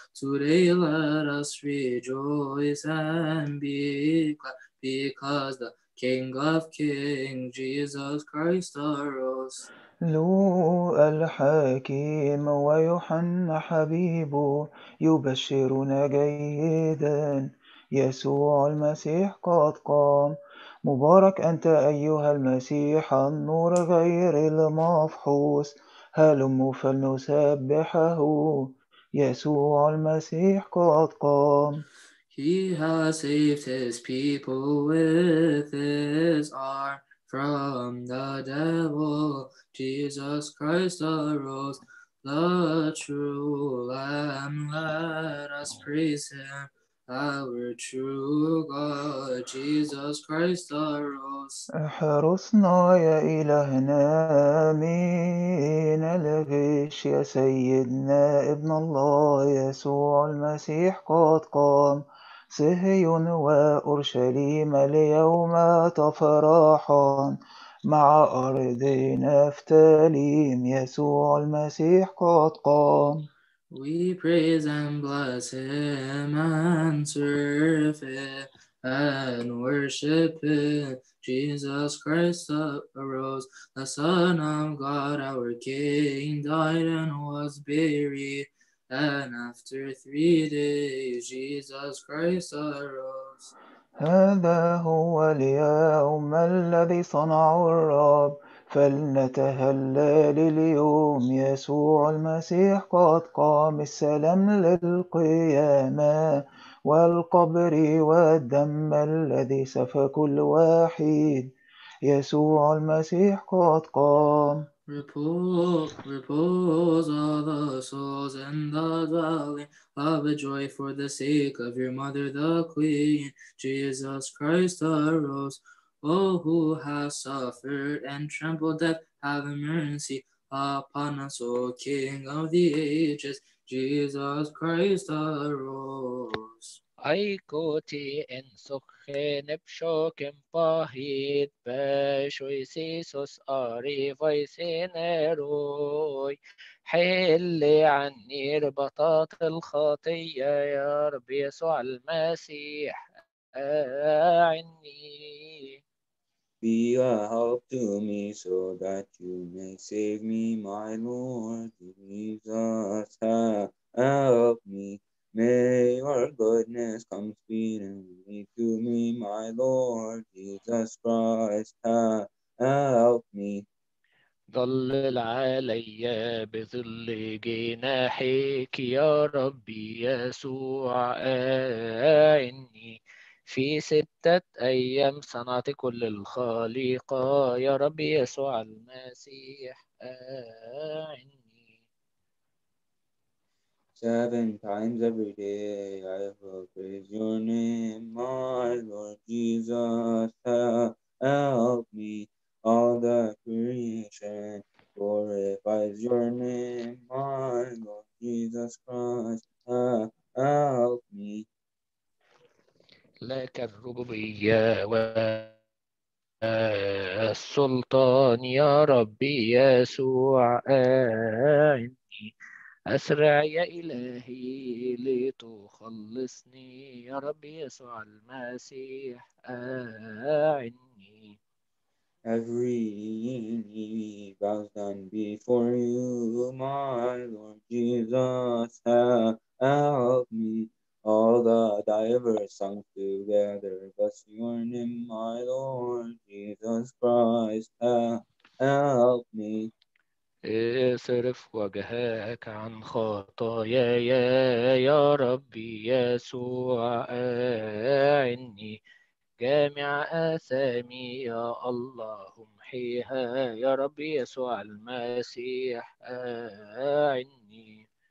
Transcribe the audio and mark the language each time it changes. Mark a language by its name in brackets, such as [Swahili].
[English] Today let us rejoice and be glad, because the King of Kings, Jesus Christ, arose. [Arabic] لو الحكيم ويوحنا حبيبه يبشرنا جيدا، يسوع المسيح قد قام. مبارك أنت أيها المسيح النور غير المفحوص، هلموا فلنسبحه، يسوع المسيح قد قام. [English] He has saved his people with his arm from the devil. Jesus Christ arose, the true Lamb. Let us praise him, our true God. Jesus Christ arose. [Arabic] احرسنا يا إلهنا من الغش يا سيدنا ابن الله، يسوع المسيح قد قام. صهيون وأورشليم اليوم تفرحان، مع أرض نفتاليم يسوع المسيح قد قام. [English] We praise and bless him and serve him and worship him. Jesus Christ arose, the Son of God, our King, died and was buried. And after 3 days, Jesus Christ arose. [Arabic] هذا هو اليوم الذي صنعه الرب، فلنتهلل اليوم، يسوع المسيح قد قام. السلام للقيامة والقبر والدم الذي سفك الوحيد، يسوع المسيح قد قام. [English] Repose all the souls in the valley of joy for the sake of your mother, the Queen. Jesus Christ arose. Oh, who has suffered and trampled death, have mercy upon us, O King of the ages. Jesus Christ arose. [Coptic] أي كوتي إن سخي نبشوك مباهيد بشوي سيسوس أري فيسي نيروي، [Arabic] حلي عني ربطات الخطية يا رب يسوع المسيح أعني. [English] Be a help to me so that you may save me, my Lord Jesus, help me. May your goodness come speedily to me, my Lord Jesus Christ, help me. [Arabic] ظلل علي بظل جناحك يا ربي يسوع أعني، في 6 أيام صنعت كل الخالقة يا ربي يسوع المسيح أعني. [English] 7 times every day I will praise your name, my Lord Jesus, help me. All the creation glorifies your name, my Lord Jesus Christ, help me. [Arabic] لك الربوبية والسلطان يا ربي يسوع أعني، أسرع يا إلهي لتخلصني يا ربي يسوع المسيح أعني. [English] Every knee bows down before you, my Lord Jesus, help me. All the divers sung together, bless your name, my Lord Jesus Christ, help me. [Arabic] اصرف وجهك عن خطايا يا ربي يسوع أعني، جامع آثامي يا الله امحيها يا رب يسوع المسيح أعني.